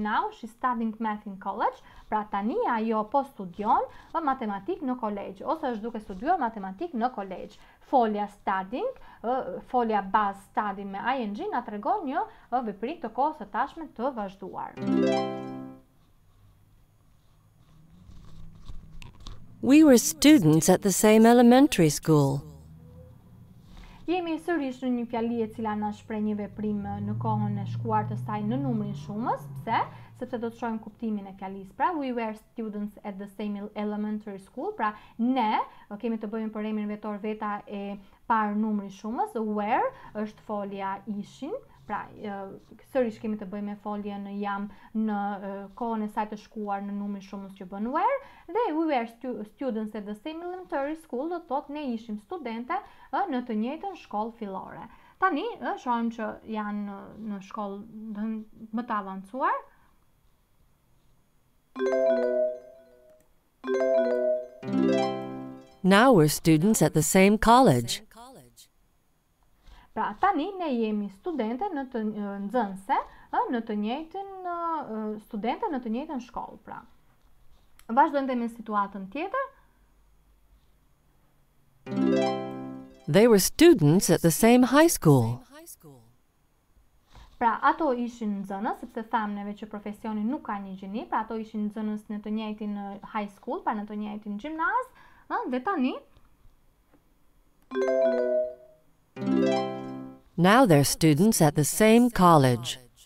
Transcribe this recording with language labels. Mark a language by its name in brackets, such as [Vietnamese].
[English] Now she's studying math in college, [Albanian] pra tani ajo po studion matematik në kolegj, ose është duke studiuar matematik në kolegj. Folja studying, folja bazë study me ing na tregon një veprim të kohës së tashme të vazhduar. [English] We were students at the same elementary school. [Albanian] Jemi sërish në një fjali e cila na shpreh një veprim në kohën e shkuar të saj në numrin shumës. Pse? Sepse do të shohim kuptimin e fjalisë. [English] Pra, we were students at the same elementary school. [Albanian] Pra, ne kemi të bëjmë për emrin vetor veta e parë numri shumës. Were është folja ishin. Pra, sërish kemi të bëjmë me foljen jam në kohën e saj të shkuar në numrin shumës që bën where dhe [English] we were students at the same elementary school, [Albanian] do të thotë ne ishim studente në të njëjtën shkollë fillore. Tani shohim që janë në shkollë më të avancuar. [English] Now we're students at the same college. [Albanian] Pra, tani ne jemi studente në të nxënëse, në të njëjtën studente në të njëjtën shkollë, pra. Vazhdojmë me situatën tjetër. [English] They were students at the same high school. [Albanian] Pra, ato ishin nxënës, sepse thamneve që profesioni nuk ka një gjini, pra ato ishin nxënës në të njëjtin high school, pra në të njëjtin gjimnaz, dhe tani. [English] Now they're students at the same college.